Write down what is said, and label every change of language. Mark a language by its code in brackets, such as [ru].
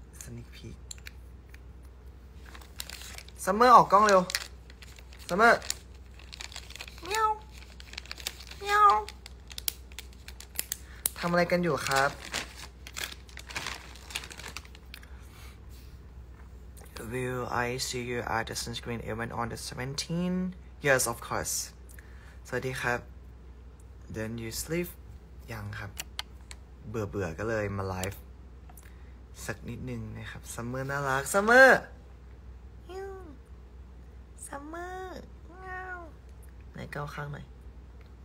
[th] สนิทพีซัมเมอร์ออกกล้องเร็วซัมเมอร์เมียวเมียวทำอะไรกันอยู่ครับ [en] Will I see you at the sunscreen event on the 17th? Yes, of course. [th] สวัสดีครับ [en] Then you sleep? [th] ยังครับเบื่อก็เลยมาไลฟ์สักนิดนึงนะครับซัมเมอร์น่ารักซัมเมอร์ฮิวซัมเมอร์เงา ไหนก้าวข้างหน่อยโ